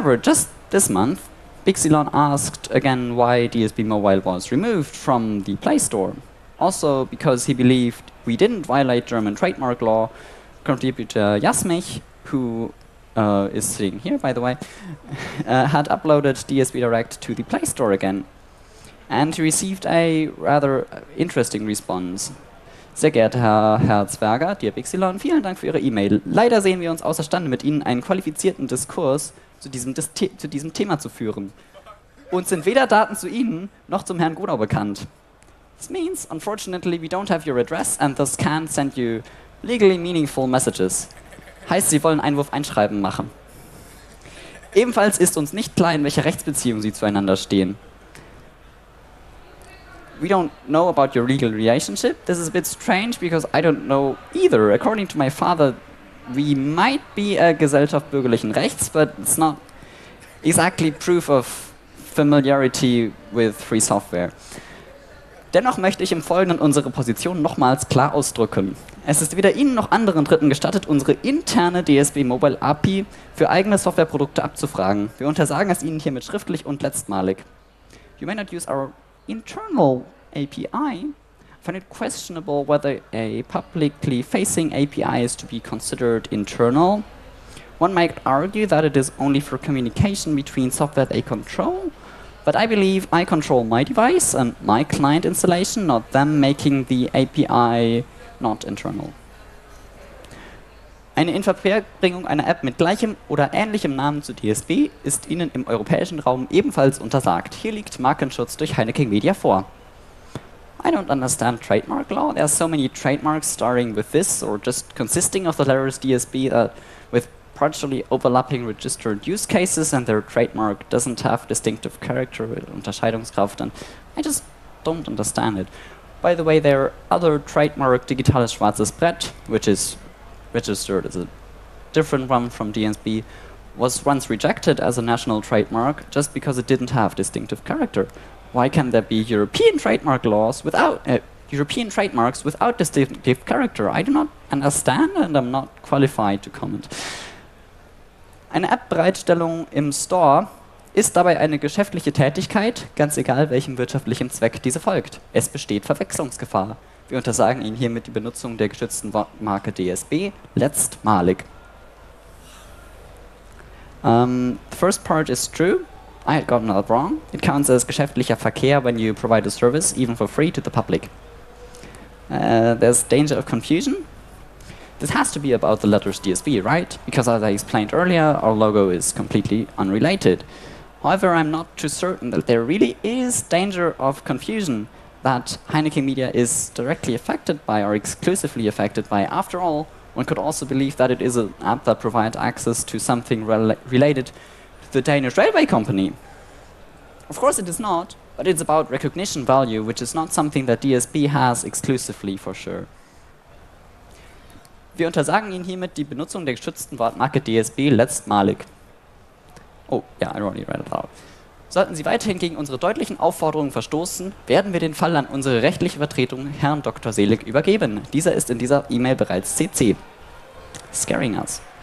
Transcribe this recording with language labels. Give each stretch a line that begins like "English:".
English: However, just this month, Bixilon asked again why DSB Mobile was removed from the Play Store. Also because he believed we didn't violate German trademark law, contributor Jasmich, who is sitting here, by the way, had uploaded DSBDirect to the Play Store again. And he received a rather interesting response.
German: Sehr geehrter Herr Herzberger,
English: dear Bixilon,
German: vielen Dank für Ihre E-Mail. Leider sehen wir uns außerstande, mit Ihnen einen qualifizierten Diskurs zu diesem Thema zu führen. Uns sind weder Daten zu Ihnen noch zum Herrn Godau bekannt.
English: This means, unfortunately, we don't have your address and thus can't send you legally meaningful messages.
German: Heißt, Sie wollen Einwurf einschreiben machen. Ebenfalls ist uns nicht klar, in welcher Rechtsbeziehung Sie zueinander stehen.
English: We don't know about your legal relationship. This is a bit strange because I don't know either. According to my father, we might be a
German: Gesellschaft bürgerlichen Rechts,
English: but it's not exactly proof of familiarity with free software.
German: Dennoch möchte ich im Folgenden unsere Position nochmals klar ausdrücken. Es ist weder Ihnen noch anderen Dritten gestattet, unsere interne DSB Mobile API für eigene Softwareprodukte abzufragen. Wir untersagen es Ihnen hiermit schriftlich und letztmalig.
English: You may not use our internal API. I find it questionable whether a publicly facing API is to be considered internal. One might argue that it is only for communication between software they control, but I believe I control my device and my client installation, not them making the API not internal.
German: Eine Inverbringung einer App mit gleichem oder ähnlichem Namen zu DSB ist Ihnen im europäischen Raum ebenfalls untersagt. Hier liegt Markenschutz durch Heineken Media vor.
English: I don't understand trademark law. There are so many trademarks starting with this or just consisting of the letters DSB with partially overlapping registered use cases and their trademark doesn't have distinctive character with Unterscheidungskraft. And I just don't understand it. By the way, there are other trademark
German: digitales schwarzes Brett,
English: which is registered as a different one from DSB, was once rejected as a national trademark just because it didn't have distinctive character. Why can there be European trademark laws without European trademarks without distinctive character? I do not understand and I'm not qualified to comment.
German: Eine App-Bereitstellung im Store ist dabei eine geschäftliche Tätigkeit, ganz egal welchem wirtschaftlichen Zweck diese folgt. Es besteht Verwechslungsgefahr. Wir untersagen Ihnen hiermit die Benutzung der geschützten Marke DSB letztmalig.
English: The first part is true. I had gotten that wrong. It counts as
German: geschäftlicher Verkehr
English: when you provide a service, even for free, to the public. There's danger of confusion. This has to be about the letters DSB, right? Because as I explained earlier, our logo is completely unrelated. However, I'm not too certain that there really is danger of confusion that Heineken Media is directly affected by or exclusively affected by. After all, one could also believe that it is an app that provides access to something related to the Danish railway company. Of course it is not, but it's about recognition value, which is not something that DSB has exclusively for sure.
German: Wir untersagen Ihnen hiermit die Benutzung der geschützten Wortmarke DSB letztmalig.
English: Oh, yeah, I already read it out.
German: Sollten Sie weiterhin gegen unsere deutlichen Aufforderungen verstoßen, werden wir den Fall an unsere rechtliche Vertretung, Herrn Dr. Selig, übergeben. Dieser ist in dieser E-Mail bereits CC.
English: Scaring us.